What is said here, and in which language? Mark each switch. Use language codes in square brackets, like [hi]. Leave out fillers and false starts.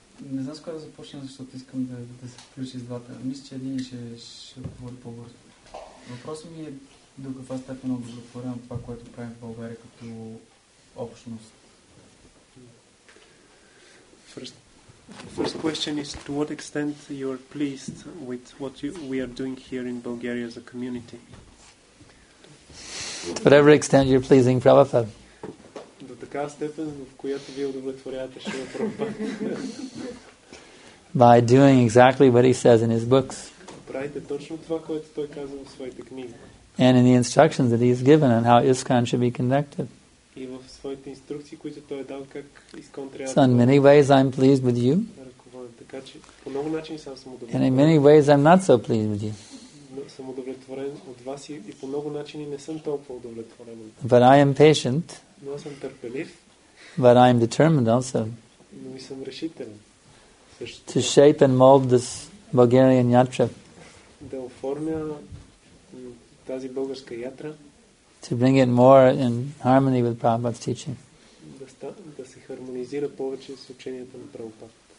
[bg] Не знам с кой да започна, защото искам да се включи с двата. Мисля, че един ще говори по-бързо. Въпросът ми е до каква степен удовлетворявам това, което правим в България като общност. [en] First question is, to what extent you are pleased with what we are doing here in Bulgaria as a community? To whatever extent you're pleasing Prabhupada. [bg] До такава степен, в която ви удовлетворявате Шрила Прабхупада. [en] By doing exactly what he says in his books. [bg] Правите точно това, което той казва в своите книги. [en] And in the instructions that he has given on how ISKCON should be conducted. [bg] И в своите инструкции, които той е дал как ИСКОН трябва. [en] So in many ways I'm pleased with you. [bg] Така че по много начин сам съм удовлетворен. [en] And in many ways I'm not so pleased with you. [bg] Съм удовлетворен от вас и по много начини не съм толкова удовлетворен. [en] But I am patient. [bg] Но съм търпелив. [en] But I am determined also. [bg] Но и съм решителен. [en] To shape and mold this Bulgarian yatra. [bg] Да оформя тази българска ятра. [en] To bring it more in harmony with Prabhupada's teaching. [bg] Да се хармонизира повече с учението на Прабхупада.